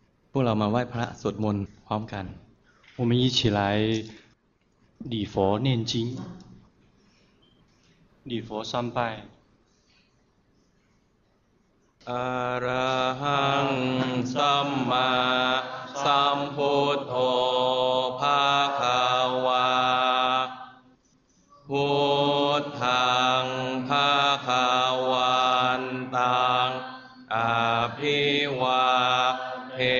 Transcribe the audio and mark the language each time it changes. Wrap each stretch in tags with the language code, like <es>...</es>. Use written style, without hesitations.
<th>พวกเรามาไหว้พระสวดมนต์พร้อมกัน</th> <zh>我们一起来礼佛念经礼佛三拜</zh> <pi>อรหังสัมมาสัมพุทโธภาคาวาพุทธังภาคาวันตังอภิวาเท</pi>